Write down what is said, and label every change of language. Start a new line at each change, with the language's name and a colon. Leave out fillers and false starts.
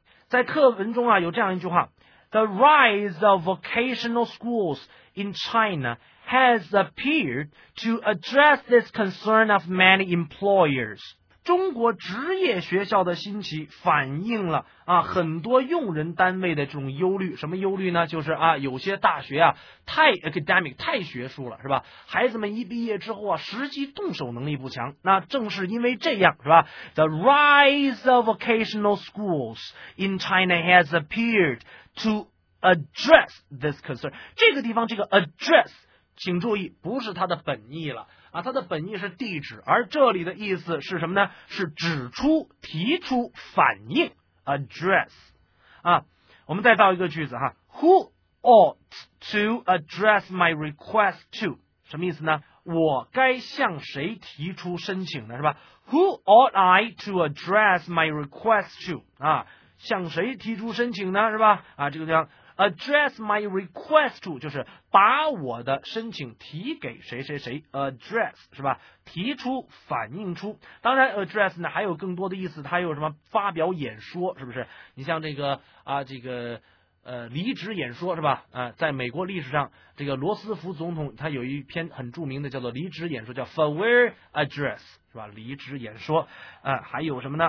English: 在课文中啊，有这样一句话 The rise of vocational schools in China has appeared to address this concern of many employers.
Chinese: 中国职业学校的兴起反映了啊很多用人单位的这种忧虑。什么忧虑呢？就是啊有些大学啊太 academic, 太学术了是吧，孩子们一毕业之后啊实际动手能力不强。
English: 那正是因为这样是吧， The rise of vocational schools in China has appeared to address this concern.
Chinese: 这个地方这个 address,请注意不是它的本意了啊，它的本意是地址，而这里的意思是什么呢？是指出提出反应 address 啊。我们再造一个句子哈， Who ought to address my request to? 什么意思呢？我该向谁提出申请呢是吧？
English: Who ought I to address my request to?
Chinese: 啊，向谁提出申请呢是吧？啊，这个叫 address my request to, 就是把我的申请提给谁谁谁 address, 是吧，提出反映出。当然 address 呢还有更多的意思，它有什么发表演说是不是，你像这个啊这个离职演说是吧，在美国历史上这个罗斯福总统他有一篇很著名的叫做离职演说，叫 farewell address, 是吧，离职演说。还有什么呢？